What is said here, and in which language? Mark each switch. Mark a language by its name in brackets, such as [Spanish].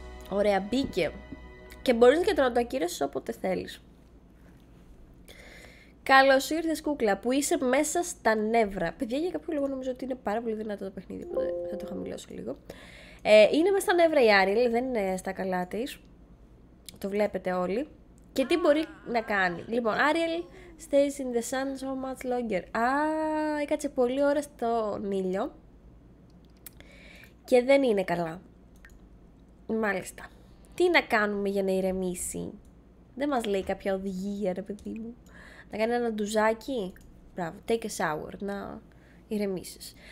[Greek] Ωραία, μπήκε. Και μπορείς και να το ακύρωσεις όποτε θέλεις. Καλώς ήρθες κούκλα που είσαι μέσα στα νεύρα. Παιδιά, για κάποιο λόγο νομίζω ότι είναι πάρα πολύ δυνατό το παιχνίδι, οπότε θα το χαμηλώσω λίγο. Είναι μέσα στα νεύρα η Άριελ, δεν είναι στα καλά της. Το βλέπετε όλοι. Και τι μπορεί να κάνει. [English] Λοιπόν, Άριελ stays in the sun so much longer. [Greek] Α, έκατσε πολλή ώρα στον ήλιο και δεν είναι καλά. Μάλιστα. Τι να κάνουμε για να ηρεμήσει. Δεν μας λέει κάποια οδηγία, ρε παιδί μου. Να κάνει ένα ντουζάκι. Μπράβο, [English] take a shower, [Greek] να ηρεμήσεις.